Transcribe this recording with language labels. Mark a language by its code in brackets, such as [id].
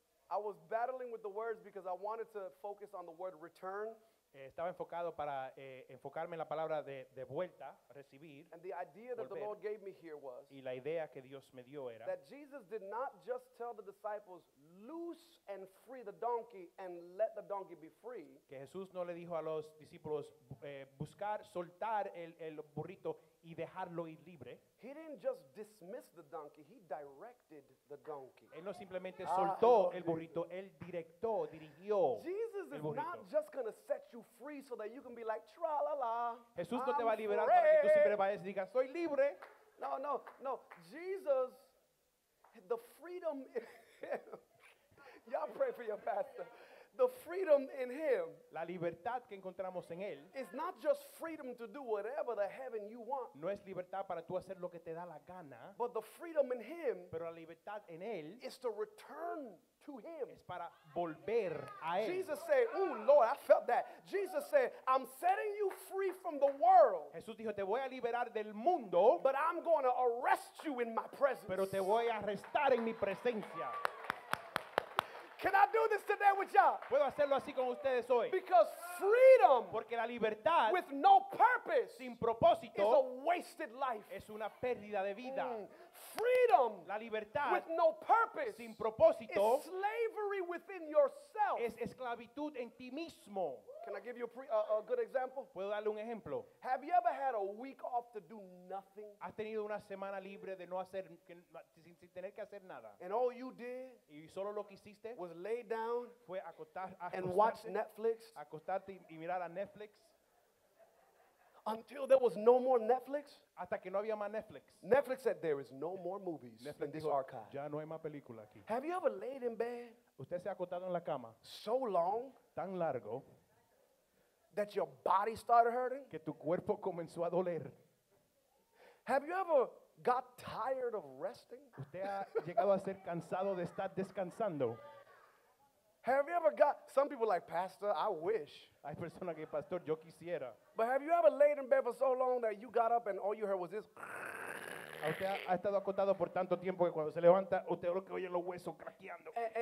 [en] I was battling with the words because I wanted to focus on the word return. [es] Estaba enfocado para enfocarme en la palabra de vuelta, recibir. [en] And the idea that [es] volver. [en] The Lord gave me here was [es] y la idea que Dios me dio era [en] that Jesus did not just tell the disciples, loose and free the donkey and let the donkey be free. [es] Que Jesús no le dijo a los discípulos buscar, soltar el burrito y dejarlo ir libre. [en] He didn't just dismiss the donkey, he directed the donkey. [es] Él no simplemente soltó el burrito, él directó, dirigió. [en] Jesus is not just going to set you free so that you can be like tra la la. [es] Jesús no te va a liberar para que tú siempre vayas y digas soy libre. [en] No, no, no. Jesus the freedom in him. Y'all pray for your pastor. The freedom in him, [es] la libertad que encontramos en él, [en] is not just freedom to do whatever the heaven you want, [es] no es libertad para tú hacer lo que te da la gana, [en] but the freedom in him, [es] pero la libertad en él, [en] is to return to him, [es] es para volver a él. [en] Jesus said, "Ooh, Lord, I felt that." Jesus said, "I'm setting you free from the world." [es] Jesús dijo, "Te voy a liberar del mundo," [en] but I'm going to arrest you in my presence. [es] Pero te voy a arrestar en mi presencia. [en] Can I do this today with y'all? [es] Puedo hacerlo así con ustedes hoy. [en] Because freedom, [es] porque la libertad, [en] with no purpose, [es] sin propósito, [en] is a wasted life. [es] Es una pérdida de vida. [en] Freedom, [es] la libertad, [en] with no purpose, [es] sin propósito, [en] is slavery within yourself. [es] Es esclavitud en ti mismo. [en] Can I give you a good example? [es] Puedo darle un ejemplo. [en] Have you ever had a week off to do nothing? [es] ¿Has tenido una semana libre de no hacer sin tener que hacer nada? [en] And all you did, [es] y solo lo que hiciste, [en] was lay down, [es] fue acostar, [en] and watch Netflix, [es] acostarte y mirar a Netflix. [en] Until there was no more Netflix. [es] Hasta que no había más Netflix. [en] Netflix said there is no more movies [es] Netflix [en] in this [es] dijo, [en] archive. [es] Ya no hay más película aquí. [en] Have you ever laid in bed? [es] ¿Usted se ha acostado en la cama? [en] So long. [es] Tan largo. [en] That your body started hurting. [es] Que tu cuerpo comenzó a doler. [en] Have you ever got tired of resting? [es] ¿Usted ha llegado a ser cansado de estar descansando? [en] Have you ever got, some people like, Pastor, I wish. [es] Hay personas que, Pastor, yo quisiera. [en] But have you ever laid in bed for so long that you got up and all you heard was this? [es] Usted ha estado acostado por tanto tiempo que cuando se levanta, usted lo que oye los huesos craqueando.